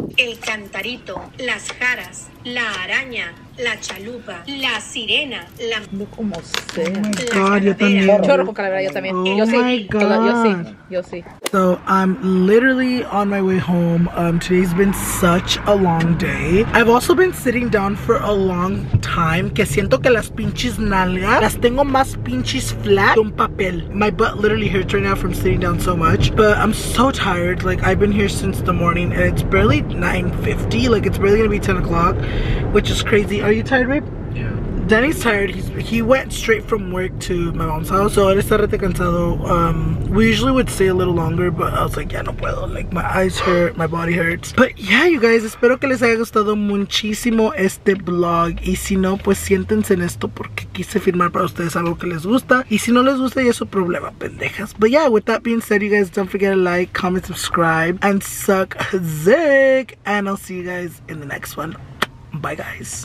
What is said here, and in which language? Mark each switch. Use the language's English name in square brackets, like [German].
[Spanish] El cantarito, las jaras, la araña, la chalupa, la sirena, la... No, como sea. [English] Oh, my God, [Spanish] yo también. Un chorro con calavera, yo también. [English] Oh, [Spanish] yo [English] my [Spanish] sí. [English] God. [Spanish] Yo sí. [English] So, I'm literally on my way home. Today's been such a long day. I've also been sitting down for a long time. [Spanish] Que siento que las pinches nalgas las tengo más pinches flat que un papel. [English] My butt literally hurts right now from sitting down so much. But I'm so tired. Like, I've been here since the morning and it's barely 9:50. Like, it's barely gonna be 10 o'clock, which is crazy. Are you tired, babe? Yeah. Danny's tired. He went straight from work to my mom's house. [Spanish] So, él está rete cansado. [English] We usually would stay a little longer, but I was like, yeah, [Spanish] no puedo. [English] Like, my eyes hurt. My body hurts. But, yeah, you guys, [Spanish] espero que les haya gustado muchísimo este vlog. Y si no, pues siéntense en esto porque quise firmar para ustedes algo que les gusta. Y si no les gusta, ya es su problema, pendejas. [English] But, yeah, with that being said, you guys, don't forget to like, comment, subscribe, and suck a dick. And I'll see you guys in the next one. Bye, guys.